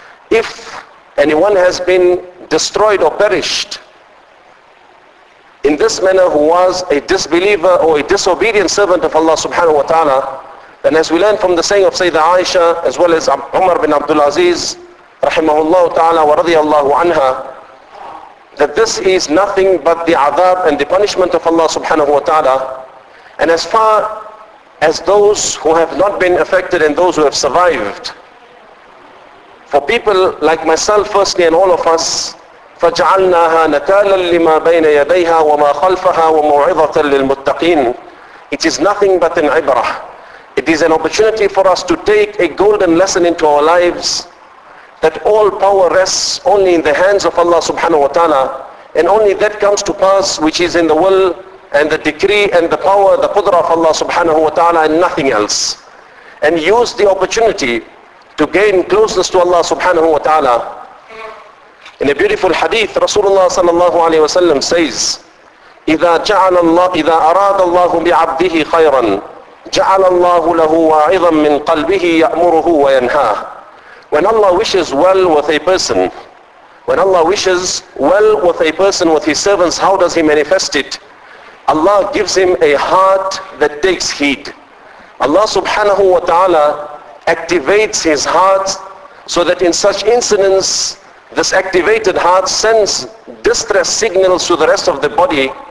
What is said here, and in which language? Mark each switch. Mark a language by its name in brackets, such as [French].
[English] If anyone has been destroyed or perished in this manner who was a disbeliever or a disobedient servant of Allah subhanahu wa ta'ala, then as we learn from the saying of Sayyidina Aisha as well as Umar bin Abdul Aziz rahimahullah ta'ala wa radiyallahu anha, that this is nothing but the azab and the punishment of Allah subhanahu wa ta'ala. And as far as those who have not been affected and those who have survived, for people like myself firstly and all of us, [Arabic] فجعلناها نكالا لما بين يديها وما خلفها وموعظة للمتقين. [English] It is nothing but an ibrah. It is an opportunity for us to take a golden lesson into our lives, that all power rests only in the hands of Allah subhanahu wa ta'ala, and only that comes to pass which is in the will and the decree and the power, the qudra of Allah subhanahu wa ta'ala, and nothing else. And use the opportunity to gain closeness to Allah subhanahu wa ta'ala. In a beautiful hadith, Rasulullah sallallahu alayhi wa sallam says, [Arabic] إِذَا جَعَلَ اللَّهُ إِذَا أَرَادَ اللَّهُ بِعَبْدِهِ خَيْرًا جَعَلَ اللَّهُ لَهُ وَعِظًا مِّن قَلْبِهِ يَأْمُرُهُ وَيَنْهَاهُ. [English] When Allah wishes well with a person, when Allah wishes well with a person, with his servants, how does he manifest it? Allah gives him a heart that takes heed. Allah subhanahu wa ta'ala activates his heart so that in such incidents, this activated heart sends distress signals to the rest of the body.